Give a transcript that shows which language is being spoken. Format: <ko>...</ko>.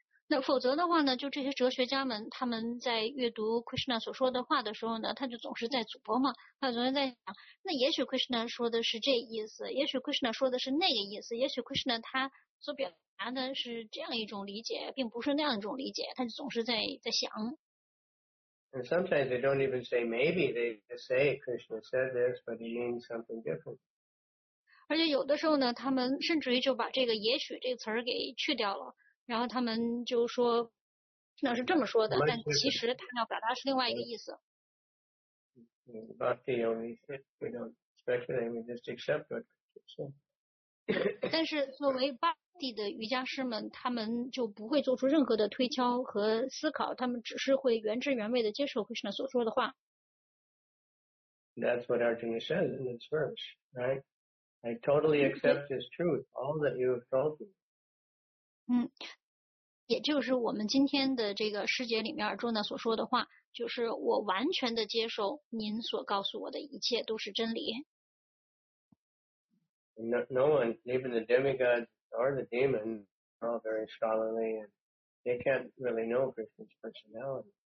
<zh>那否则的话呢，就这些哲学家们，他们在阅读 Krishna 所说的话的时候呢，他就总是在组播嘛，他总是在想，那也许 Krishna 说的是这意思，也许 Krishna 说的是那个意思，也许 Krishna 他所表达的是这样一种理解，并不是那样一种理解，他就总是在想。</zh> <en>And sometimes they don't even say maybe, they just say Krishna said this, but he means something different.</en> <zh>而且有的时候呢，他们甚至于就把这个也许这个词给去掉了，然后他们就说，那是这么说的，但其实他要表达是另外一个意思。</zh> <en>Bhakti only said, we don't speculate, we just accept what Krishna said.</en> <zh>但是作为 Bhakti 的瑜伽师们，他们就不会做出任何的推敲和思考，他们只是会原汁原味的接受 Krishna 所说的话。</zh> <en>That's what Arjuna says in this verse, right? I totally accept his truth, all that you have told me.</en> <zh>也就是我们今天的这个师节里面Arjuna所说的话，就是我完全的接受您所告诉我的一切都是真理。</zh> <en>No one, even the demigods,or the demon, are all very scholarly, and they can't really know Krishna's personality.</en>